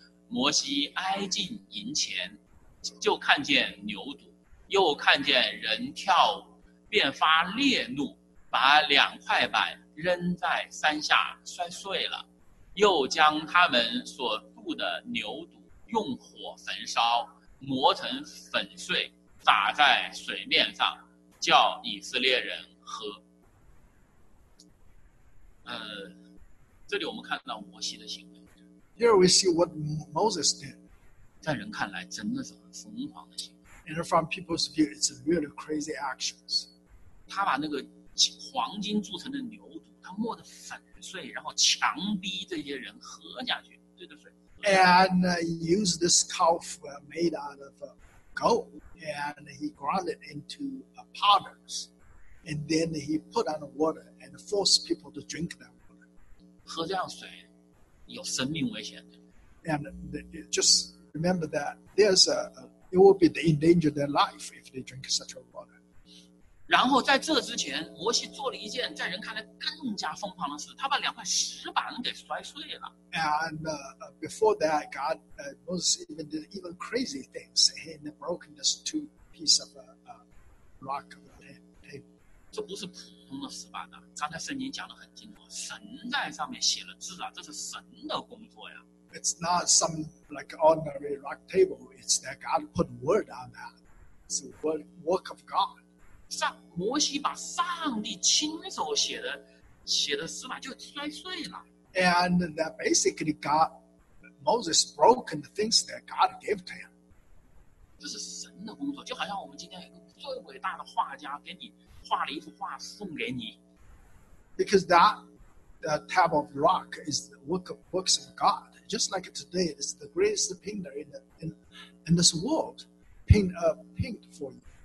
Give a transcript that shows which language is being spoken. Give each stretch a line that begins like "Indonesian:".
Chinese: 摩西挨近营前，就看见牛犊，又看见人跳舞，便发烈怒，把两块板扔在山下摔碎了，又将他们所渡的牛犊用火焚烧，磨成粉碎，撒在水面上，叫以色列人喝。这里我们看到摩西的行为。
English: Here we see what Moses did.
Chinese: 在人看来，真的是很疯狂的行为。
English: And from people's view, it's really crazy actions.
Chinese: 他把那个黄金铸成的牛犊，他磨得粉碎，然后强逼这些人喝下去，对的水。
English: And use this calf made out of gold, and he ground it into powders. And then he put on water and forced people to drink that water.
Chinese: 喝这样水有生命危险的。
English: And just remember that there's it will be the endanger their life if they drink such a water.
Chinese: 然后在这之前，摩西做了一件在人看来更加疯狂的事，他把两块石板给摔碎了。
English: And before that, God Moses even did even crazy things. He broke this two piece of rock.
Chinese: 这不是普通的石板啊！刚才圣经讲得很清楚，神在上面写了字啊，这是神的工作呀。
English: It's not some like ordinary rock table. It's that God put word on that. It's the work of God.
Chinese: 摩西把上帝亲手写的石板就摔碎了。
English: And that basically God, Moses broke the things that God gave to him.
Chinese: 这是神的工作，就好像我们今天一个最伟大的画家给你。画了一幅画送给你
English: ，because that the tab of rock is the works of God. Just like today, it's the greatest painter in this world, paint for you.